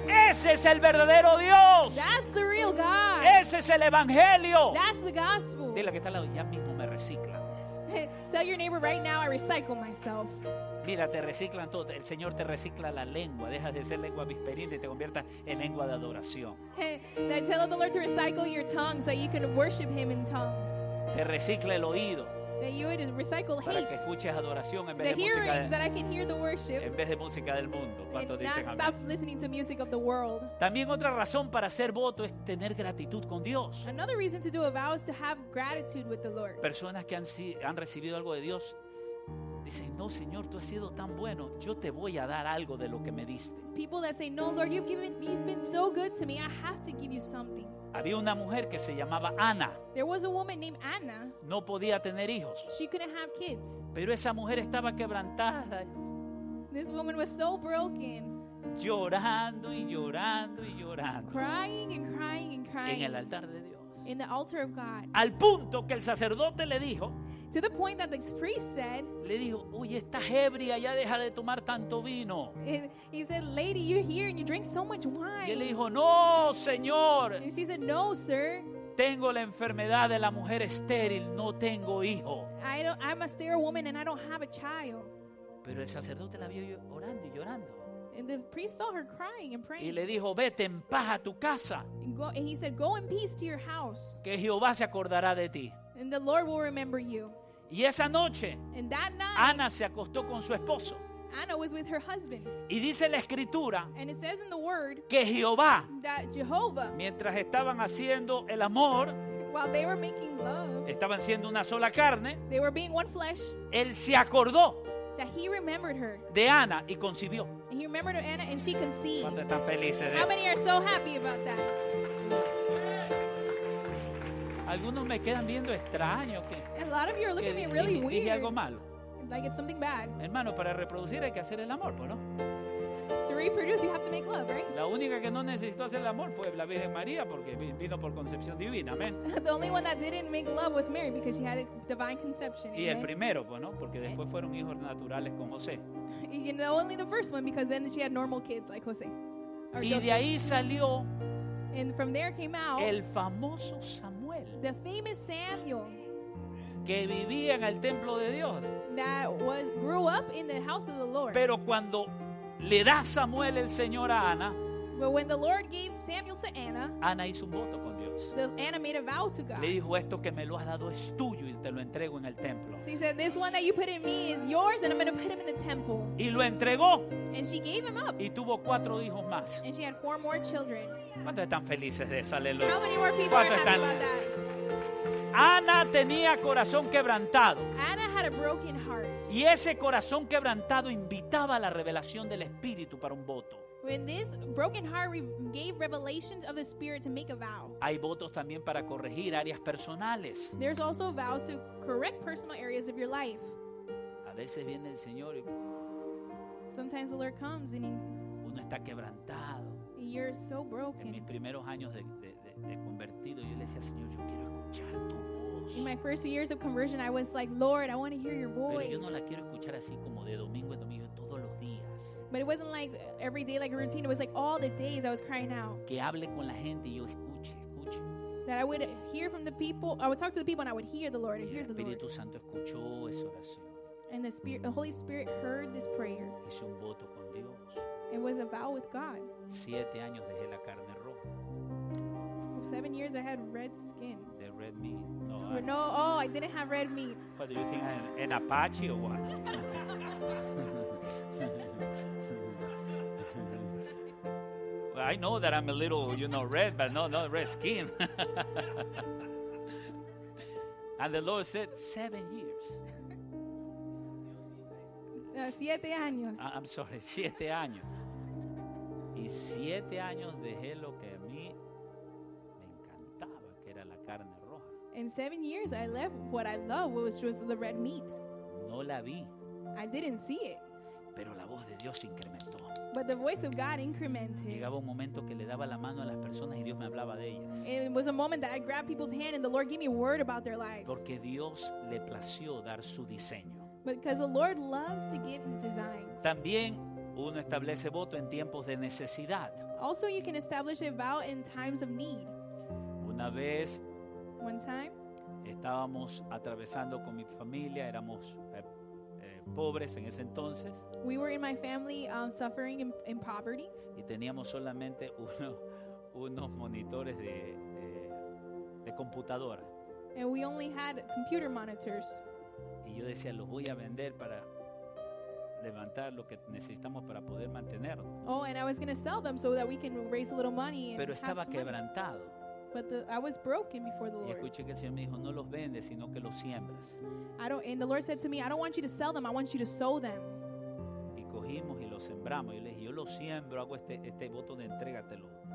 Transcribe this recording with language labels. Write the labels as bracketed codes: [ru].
[es] Ese es el verdadero Dios. [en] That's the real God. [es] Ese es el Evangelio. [en] That's the gospel. [es] Dile que está al lado, ya mismo me recicla. [en] Tell your neighbor right now, I recycle myself. [es] Mira, te reciclan todo. El Señor te recicla la lengua. Dejas de ser lengua vesperina y te conviertas en lengua de adoración. [en] I tell the Lord to recycle your tongue so you can worship Him in tongues. [es] Te recicla el oído. [en] That you would recycle hate. [es] Para que escuches adoración en vez [en] the [es] de [en] hearing [es] música, [en] that I can hear the worship [es] en vez de música del mundo, [en] and [es] dicen [en] not [es] amén. [en] Stop listening to music of the world. [es] También otra razón para hacer voto es tener gratitud con Dios. [en] Another reason to do a vow is to have gratitude with the Lord. [es] Personas que han recibido algo de Dios dicen, no Señor, tú has sido tan bueno, yo te voy a dar algo de lo que me diste. [en] People that say, no Lord, you've been so good to me, I have to give you something. [es] Había una mujer que se llamaba Ana. [en] There was a woman named Anna. [es] No podía tener hijos. [en] She couldn't have kids. [es] Pero esa mujer estaba quebrantada. [en] This woman was so broken. [es] Llorando y llorando y llorando. [en] Crying and crying and crying. [es] En el altar de Dios. [en] In the altar of God. [es] Al punto que el sacerdote le dijo. [en] To the point that the priest said. [es] Le dijo, oye, estás ebria, ya deja de tomar tanto vino. [en] He said, lady, you're here and you drink so much wine. [es] Y él le dijo, no, señor. [en] And she said, no, sir. [es] Tengo la enfermedad de la mujer estéril, no tengo hijo. [en] I'm a sterile woman and I don't have a child. [es] Pero el sacerdote la vio orando y llorando. [en] And the priest saw her crying and praying. [es] Y le dijo, vete en paz a tu casa. [en] And he said, go in peace to your house. [es] Que Jehová se acordará de ti. [en] And the Lord will remember you. [es] Y esa noche, [en] and that night, [es] Ana se acostó con su esposo. [en] Anna was with her husband. [es] Y dice la escritura, [en] and it says in the word, [es] que Jehová, [en] that Jehovah, [es] mientras estaban haciendo el amor, [en] while they were making love, [es] estaban siendo una sola carne, [en] they were being one flesh, [es] él se acordó, [en] that he remembered her, [es] de Ana y concibió. [en] And he remembered Anna and she conceived. [es] ¿Cuántos están felices de eso? [en] How many are so happy about that? [es] Algunos me quedan viendo extraño. Que, [en] a lot of you are looking at me really [es] dije, [en] weird. [es] Dije algo malo. [en] Like it's something bad. [es] Hermano, para reproducir hay que hacer el amor, ¿no? [en] To reproduce, you have to make love, right? [es] La única que no necesitó hacer el amor fue la Virgen María porque vino por concepción divina, amén. [en] The only one that didn't make love was Mary because she had a divine conception. [es] Y el primero, ¿no? Porque después fueron hijos naturales con José. [en] You know, only the first one because then she had normal kids like José. [es] Y de ahí salió. [en] And from there came out [es] el famoso Samuel, [en] the famous Samuel, [es] que vivía en el templo de Dios, [en] that was grew up in the house of the Lord. [es] Pero cuando le da Samuel el Señor a Ana, [en] but when the Lord gave Samuel to Anna, [es] Ana hizo un voto con Dios. Dios. [en] The animated vow to God. [es] Le dijo, esto que me lo has dado es tuyo y te lo entrego en el templo. [en] She said, this one that you put in me is yours and I'm going to put him in the temple. [es] Y lo entregó. [en] And she gave him up. [es] Y tuvo cuatro hijos más. [en] And she had four more children. [es] ¿Cuántos están felices de eso? Aleluya. [en] How many more people are happy about that? [es] Ana tenía corazón quebrantado. [en] Anna had a broken heart. [es] Y ese corazón quebrantado invitaba a la revelación del Espíritu para un voto. [en] When this broken heart gave revelation of the Spirit to make a vow. [es] Hay votos también para corregir áreas personales. [en] There's also vows to correct personal areas of your life. [es] A veces viene el Señor y... [en] Sometimes the Lord comes and [es] uno está quebrantado. [en] You're so broken. [es] En mis primeros años de convertido, yo le decía, Señor, yo quiero escuchar tu voz. [en] In my first years of conversion, I was like, Lord, I want to hear your voice. [es] Pero yo no la quiero escuchar así como de domingo a domingo, todos los días. [en] But it wasn't like every day like a routine. It was like all the days I was crying out. [es] Que hable con la gente y yo escuche. [en] That I would hear from the people. I would talk to the people and I would hear the Lord. [es] El Espíritu Santo escuchó esa oración. [en] And the Holy Spirit heard this prayer. [es] Hizo un voto con Dios. [en] It was a vow with God. [es] 7 años dejé la carne roja. [en] 7 years I had red skin. The red meat. No, I didn't have red meat. What do you think? An Apache or what? Well, I know that I'm a little, you know, red, but not red skin. And the Lord said, 7 years. [es] 7 años. [en] I'm sorry, [es] 7 años. Y 7 años dejé lo que a mí me encantaba, que era la carne roja. [en] In 7 years, I left what I loved, which was the red meat. [es] No la vi. [en] I didn't see it. [es] Pero la voz de Dios incrementó. [en] But the voice of God incremented. [es] Llegaba un momento que le daba la mano a las personas y Dios me hablaba de ellas. [en] And it was a moment that I grabbed people's hand and the Lord gave me a word about their lives. [es] Porque Dios le plació dar su diseño. [en] Because the Lord loves to give his designs. [es] También uno establece voto en tiempos de necesidad. [en] Also you can establish a vow in times of need. [es] Una vez, [en] one time, [es] estábamos atravesando con mi familia, éramos pobres en ese entonces. [en] We were in my family suffering in poverty. [es] Y teníamos solamente unos monitores de computadora. [en] And we only had computer monitors. [es] Y yo decía, los voy a vender para levantar lo que necesitamos para poder mantenerlo. [en] Oh, and I was going to sell them so that we can raise a little money. [es] Pero estaba quebrantado. [en] Money. But I was broken before the Lord. [es] Y escuché que el Señor me dijo, no los vendes, sino que los siembras. [en] And the Lord said to me, I don't want you to sell them, I want you to sow them. [es] Y cogimos y los sembramos. Yo le dije, yo los siembro, hago este voto de entrégatelo.